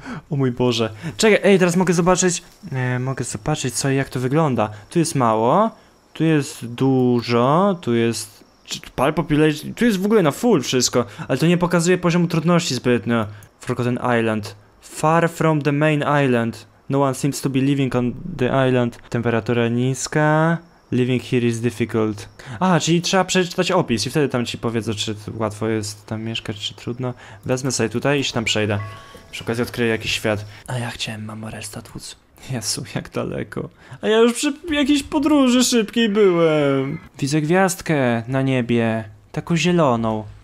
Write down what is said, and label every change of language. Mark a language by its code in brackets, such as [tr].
[pl] O mój Boże. Czekaj, ej, teraz mogę zobaczyć... mogę zobaczyć co i jak to wygląda. Tu jest mało. Tu jest dużo, tu jest... Pal population, tu jest w ogóle na full wszystko. Ale to nie pokazuje poziomu trudności zbytnio. [en] Forgotten Island. Far from the main island. No one seems to be living on the island. [pl] Temperatura niska. [en] Living here is difficult. [pl] Aha, czyli trzeba przeczytać opis i wtedy tam ci powiedzą, czy łatwo jest tam mieszkać, czy trudno. Wezmę sobie tutaj i się tam przejdę. Przy okazji odkryję jakiś świat. A ja chciałem mamo restat wódz. Jezu, jak daleko. A ja już przy jakiejś podróży szybkiej byłem. Widzę gwiazdkę na niebie. Taką zieloną.